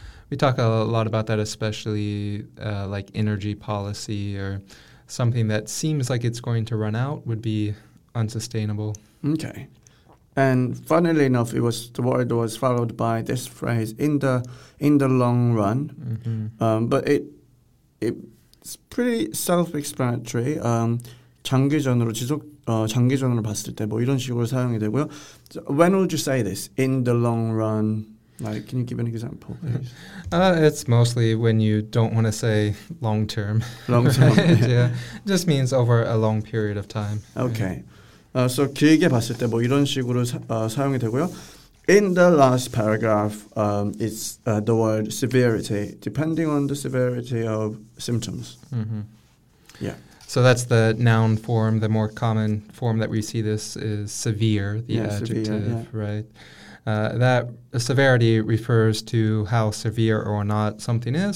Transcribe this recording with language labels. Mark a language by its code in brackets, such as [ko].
[en] We talk a lot about that, especially like energy policy or something that seems like it's going to run out would be unsustainable. Okay. And funnily enough, the word was followed by this phrase, in the long run. But it's pretty self-explanatory. [ko] 장기전으로 지속 장기전으로 봤을 때 뭐 이런 식으로 사용이 되고요. [en] So when would you say this? In the long run. Like, can you give an example, please? It's mostly when you don't want to say long term. Long term. Yeah. It just means over a long period of time. Okay. Right? [ko] So 길게 봤을 때 뭐 이런 식으로 사용이 되고요. [en] In the last paragraph, it's the word severity, depending on the severity of symptoms. Mm-hmm. Yeah. So that's the noun form. The more common form that we see this is severe, the adjective, right? That severity refers to how severe or not something is.